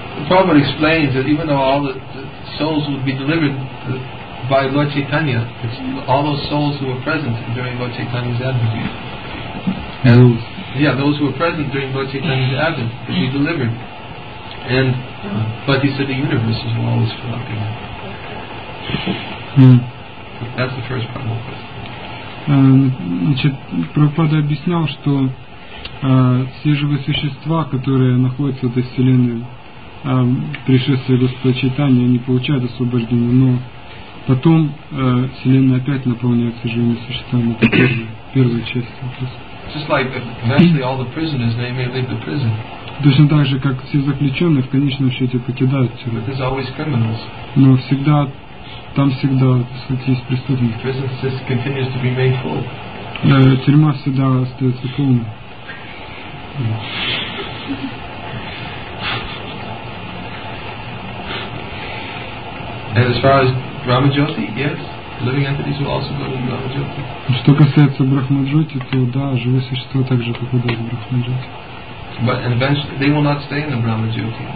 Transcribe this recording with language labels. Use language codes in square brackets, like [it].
[en] Prabhupada explains that even though all the souls would be delivered by Lord Chaitanya, it's all those souls who were present during Lord Chaitanya's advent. And, yeah, those who were present during Lord Chaitanya's advent would be delivered. And but he said the universe is always flocking. That's the first part of the question. [ru] Значит, Прабхупада объяснял, что все живые существа, которые находятся в этой вселенной, пришествие Господа Чайтанья, они получают освобождение, но потом вселенная опять наполняется живыми существами. Это первая часть вопроса. Точно так же, как все заключенные в конечном счете покидают тюрьму. Но всегда там всегда, так сказать, есть преступник. Тюрьма всегда остается полной. [en] And as far as Brahmajyoti, yes, living entities will also go to Brahmajyoti. [ru] Что касается Брахмаджоти, то да, живые существа также попадают в Брахмаджоти. [en] But eventually they will not stay in the Brahmajyoti.